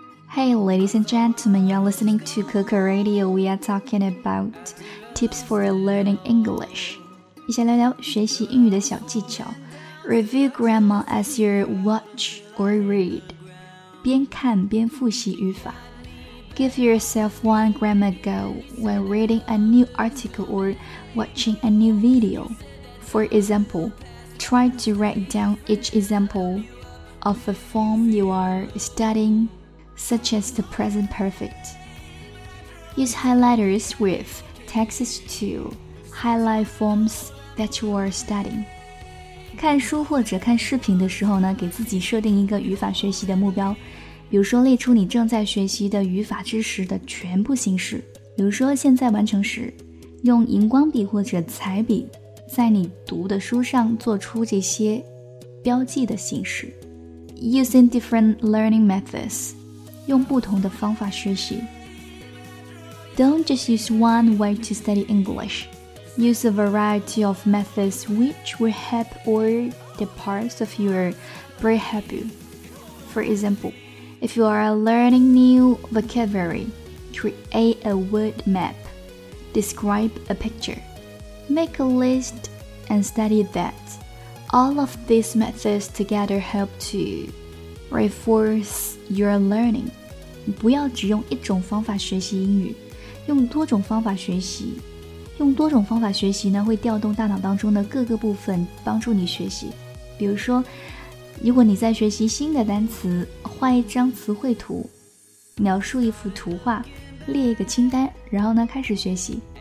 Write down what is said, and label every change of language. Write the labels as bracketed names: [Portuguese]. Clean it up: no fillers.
[English] Hey, ladies and gentlemen, you're listening to Coco Radio. We are talking about tips for learning English. [Chinese] 一起来聊学习英语的小技巧。 [English] Review grammar as you watch or read. [Chinese] 边看边复习语法。 [English] Give yourself one grammar goal when reading a new article or watching a new video. For example, try to write down each example of a form you are studying. Such as the present perfect. Use highlighters with texts to highlight forms that you are studying. [Chinese] 看书或者看视频的时候呢，给自己设定一个语法学习的目标，比如说列出你正在学习的语法知识的全部形式，比如说现在完成时，用荧光笔或者彩笔在你读的书上做出这些标记的形式。 [English] Using different learning methods. [Chinese] 用不同的方法学习。 [English] Don't just use one way to study English. Use a variety of methods which will help all the parts of your brain help you. For example, if you are learning new vocabulary, create a word map. Describe a picture. Make a list and study that. All of these methods together help to reinforce your learning. [Chinese] 不要只用一种方法学习英语，用多种方法学习。用多种方法学习呢，会调动大脑当中的各个部分，帮助你学习。比如说，如果你在学习新的单词，画一张词汇图，描述一幅图画，列一个清单，然后呢，开始学习。